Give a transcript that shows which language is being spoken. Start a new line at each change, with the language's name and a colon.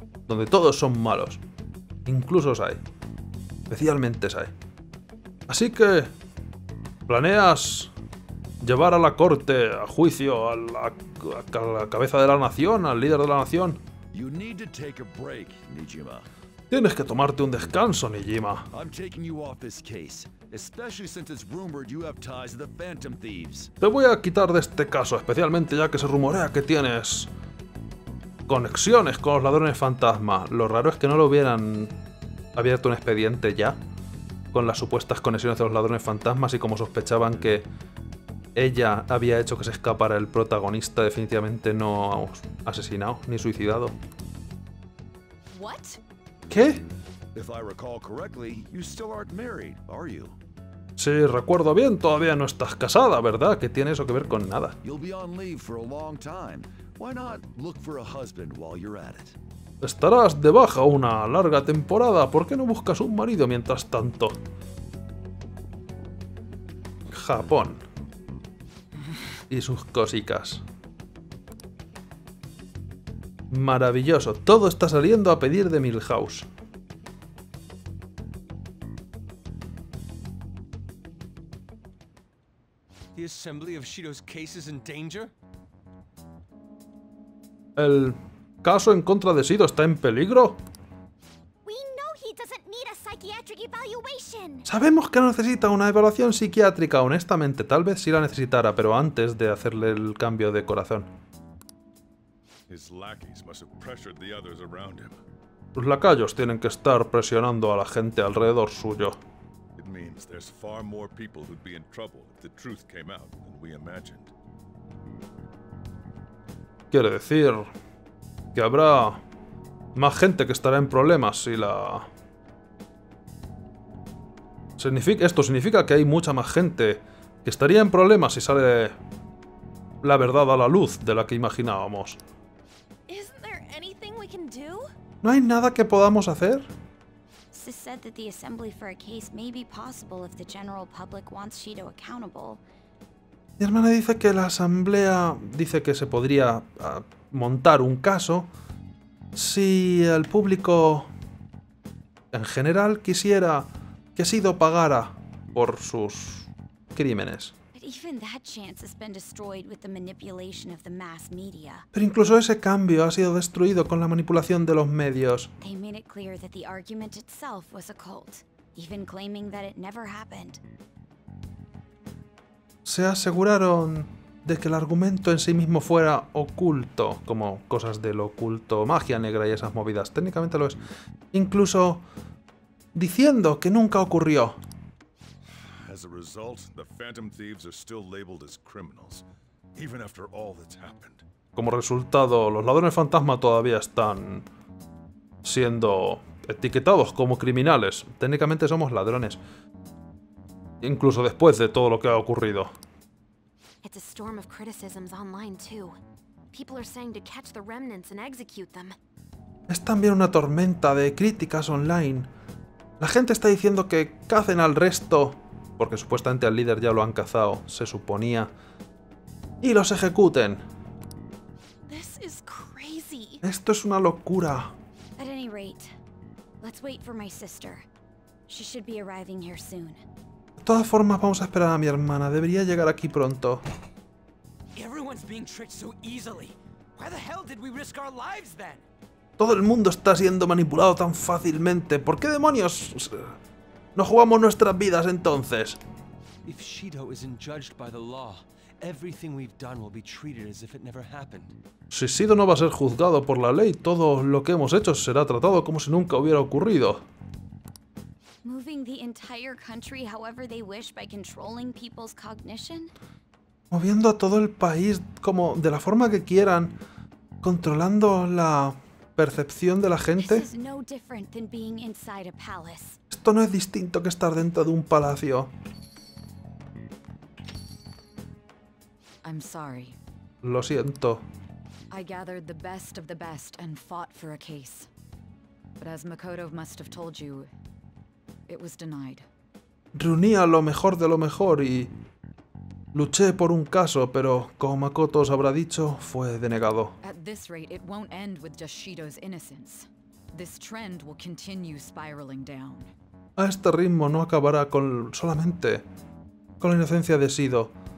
Spanish: Donde todos son malos. Incluso SAE. Especialmente SAE. Así que... ¿Planeas... llevar a la corte, a juicio, a la cabeza de la nación, al líder de la nación?
English: You need to take a break, Nijima.
Spanish: Tienes que tomarte un descanso, Nijima.
English: I'm taking you off this case, especially since it's rumored you have ties to the Phantom Thieves.
Spanish: Te voy a quitar de este caso, especialmente ya que se rumorea que tienes conexiones con los ladrones fantasma. Lo raro es que no lo hubieran abierto un expediente ya con las supuestas conexiones de los ladrones fantasmas y como sospechaban que ella había hecho que se escapara el protagonista, definitivamente no asesinado ni suicidado.
English: What?
Spanish: ¿Qué?
English: If I recall correctly, you still aren't married, are you?
Spanish: Si recuerdo bien, todavía no estás casada, ¿verdad? ¿Qué tiene eso que ver con nada?
English: You'll be on leave for a long time. Why not look for a husband while you're at it?
Spanish: Estarás de baja una larga temporada. ¿Por qué no buscas un marido mientras tanto? Japón. Y sus cosicas. Maravilloso. Todo está saliendo a pedir de Milhouse.
English: The assembly of Shido's case is in danger.
Spanish: ¿El caso en contra de Shido está en peligro?
English: We know he doesn't need a psychiatric evaluation.
Spanish: Sabemos que no necesita una evaluación psiquiátrica, honestamente. Tal vez sí la necesitara, pero antes de hacerle el cambio de corazón.
English: His lackeys must have pressured the others around him.
Spanish: Los lacayos tienen que estar presionando a la gente alrededor suyo.
English: It means there's far more people who'd be in trouble if the truth came out than we imagined.
Spanish: Quiere decir que habrá más gente que estará en problemas si la... Esto significa que hay mucha más gente que estaría en problemas si sale la verdad a la luz de la que imaginábamos.
English: Isn't there anything we can do?
Spanish: ¿No hay nada que podamos hacer?
English: Sis said that the assembly for a case may be possible if the general public wants Shido accountable.
Spanish: Mi hermana dice que la asamblea dice que se podría montar un caso si el público en general quisiera que Shido pagara por sus crímenes.
English: Even that chance has been destroyed with the manipulation of the mass media.
Spanish: Pero incluso ese cambio ha sido destruido con la manipulación de los medios.
English: They made it clear that the argument itself was a cult, even claiming that it never happened.
Spanish: Se aseguraron de que el argumento en sí mismo fuera oculto, como cosas del oculto, magia negra y esas movidas. Técnicamente lo es. Incluso diciendo que nunca ocurrió.
English: As a result, the Phantom Thieves are still labeled as criminals, even after all that's happened.
Spanish: Como resultado, los ladrones fantasma todavía están siendo etiquetados como criminales. Técnicamente somos ladrones. Incluso después de todo lo que ha ocurrido.
English: It's a storm of criticisms online too. People are saying to catch the remnants and execute them.
Spanish: Es también una tormenta de críticas online. La gente está diciendo que cacen al resto. Porque supuestamente al líder ya lo han cazado, se suponía. ¡Y los ejecuten!
English: This is crazy.
Spanish: Esto es una locura.
English: At any rate, let's wait for my sister. She should be arriving here soon.
Spanish: De todas formas, vamos a esperar a mi hermana. Debería llegar aquí pronto.
English: Everyone's being tricked so easily. Why the hell did we risk our lives then?
Spanish: Todo el mundo está siendo manipulado tan fácilmente. ¿Por qué demonios? ¿No jugamos nuestras vidas entonces?
English: If Shido isn't judged by the law, everything we've done will be treated as if it never happened.
Spanish: Si Shido no va a ser juzgado por la ley, todo lo que hemos hecho será tratado como si nunca hubiera ocurrido.
English: Moving the entire country however they wish by controlling people's cognition?
Spanish: Moviendo a todo el país como de la forma que quieran, controlando la percepción de la gente.
English: This is no different than being inside a palace.
Spanish: Esto no es distinto que estar dentro de un palacio.
English: I'm sorry.
Spanish: Lo siento.
English: I gathered the best of the best and fought for a case. But as Makoto must have told you, it was denied.
Spanish: Reunía lo mejor de lo mejor y luché por un caso, pero como Makoto os habrá dicho, fue denegado.
English: At this rate, it won't end with just Shido's innocence. This trend will continue spiraling down.
Spanish: A este ritmo no acabará con solamente con la inocencia de Shido.